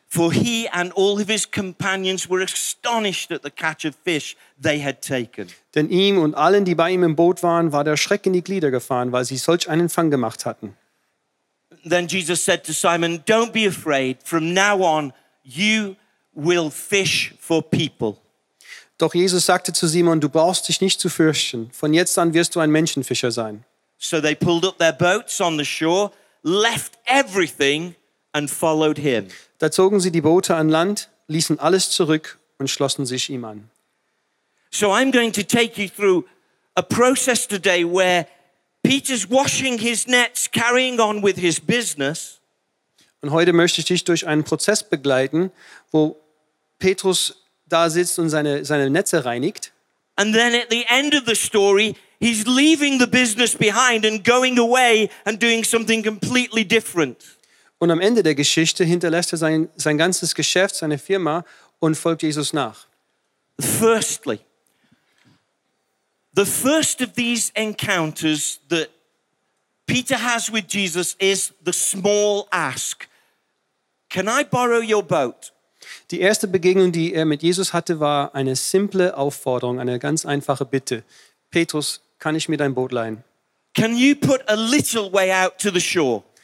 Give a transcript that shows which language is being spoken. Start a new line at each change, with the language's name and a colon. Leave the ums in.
English: for he and all of his companions were astonished at the catch of fish they had taken.
German: Denn ihm und allen, die bei ihm im Boot waren, war der Schreck in die Glieder gefahren, weil sie solch einen Fang gemacht hatten.
English: Then Jesus said to Simon, "Don't be afraid. From now on, you will fish for people."
German: Doch Jesus sagte zu Simon, du brauchst dich nicht zu fürchten. Von jetzt an wirst du ein Menschenfischer sein.
English: So they pulled up their boats on the shore, left everything. And followed him.
German: Da zogen sie die Boote an Land, ließen alles zurück und schlossen sich ihm an.
English: So I'm going to take you through a process today where Peter's washing his nets, carrying on with his business.
German: Und heute möchte ich dich durch einen Prozess begleiten, wo Petrus da sitzt und seine, seine Netze reinigt.
English: And then at the end of the story, he's leaving the business behind and going away and doing something completely different.
German: Und am Ende der Geschichte hinterlässt er sein, sein, ganzes Geschäft, seine Firma und folgt Jesus nach.
English: Firstly, the first of these encounters that Peter has with Jesus is the small ask. Can I borrow your boat?
German: Die erste Begegnung, die er mit Jesus hatte, war eine simple Aufforderung, eine ganz einfache Bitte. Petrus, kann ich mir dein Boot leihen?
English: Can you put a little way out to the shore?